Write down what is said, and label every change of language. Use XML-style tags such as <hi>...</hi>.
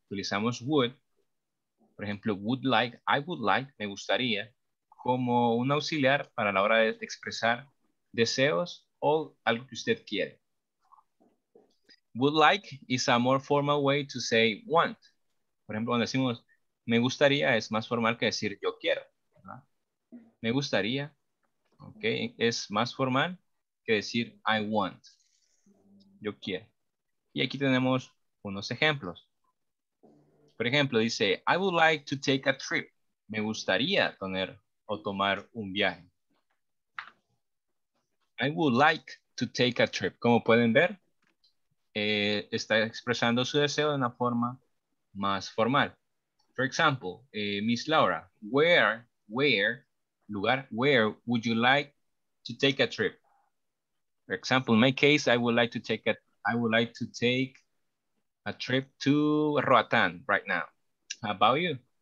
<es>Utilizamos would. Por ejemplo,</es> <en>would like, I would like,</en> <es>me gustaría, como un auxiliar para la hora de expresar deseos o algo que usted quiere.</es> <en>Would like is a more formal way to say want.</en> <es>Por ejemplo, cuando decimos me gustaría, es más formal que decir yo quiero, ¿verdad? Me gustaría, ok, es más formal que decir</es> <en>I want,</en> <es>yo quiero. Y aquí tenemos unos ejemplos. Por ejemplo, dice,</es> <en>I would like to take a trip.</en> <es>Me gustaría tener o tomar un viaje.</es> <en>I would like to take a trip.</en> <es>Como pueden ver, está expresando su deseo de una forma más formal.</es> <en>For example, Miss Laura, where would you like to take a trip? For example, in my case, I would like to take a trip to Roatán right now. How about you?</en>